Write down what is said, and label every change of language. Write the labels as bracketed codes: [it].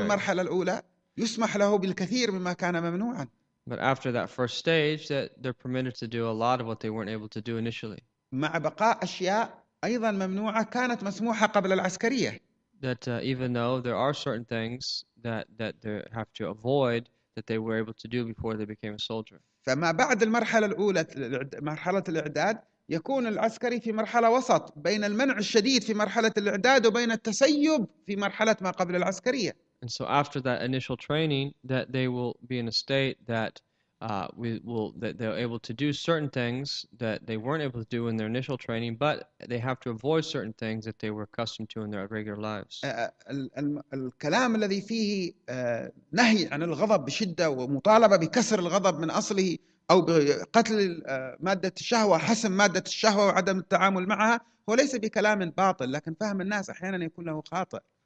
[ar] المرحلة الأولى يسمح له بالكثير مما كان ممنوعا. [en] But after that first stage, that they're permitted to do a lot of what they weren't able to do initially. [ar] مع بقاء أشياء أيضا ممنوعة كانت مسموحة قبل العسكرية. [en] That even though there are certain things that they have to avoid that they were able to do before they became a soldier. [ar] فما بعد المرحلة الأولى مرحلة الإعداد يكون العسكري في مرحلة وسط بين المنع الشديد في مرحلة الإعداد وبين التسيب في مرحلة ما قبل العسكرية. [en] And so after that initial training, that they will be in a state that that they're able to do certain things that they weren't able to do in their initial training, but they have to avoid certain things that they were accustomed to in their regular lives. [ar] الكلام الذي فيه نهي عن الغضب بشدة ومطالبة بكسر الغضب من أصله أو بقتل مادة الشهوة، حسم مادة الشهوة وعدم التعامل معها، هو ليس بكلام باطل، لكن فهم الناس أحيانا يكون له خاطئ.